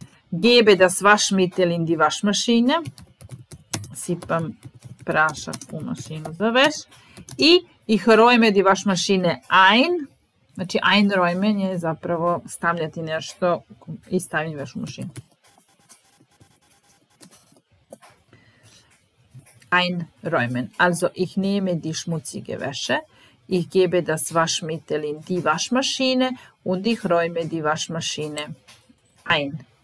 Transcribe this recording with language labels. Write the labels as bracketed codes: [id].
[de] Gebe das Waschmittel in die Waschmaschine. [sr] Sipam prašak u mašinu za veš. I [de] ich räume die Waschmaschine ein. [sr] Znači, einräumen je zapravo stavljati nešto i stavljati veš u mašinu. [de] Einräumen. Also, ich nehme die schmutzige Wäsche, ich gebe das Waschmittel in die Waschmaschine und ich räume die Waschmaschine ein.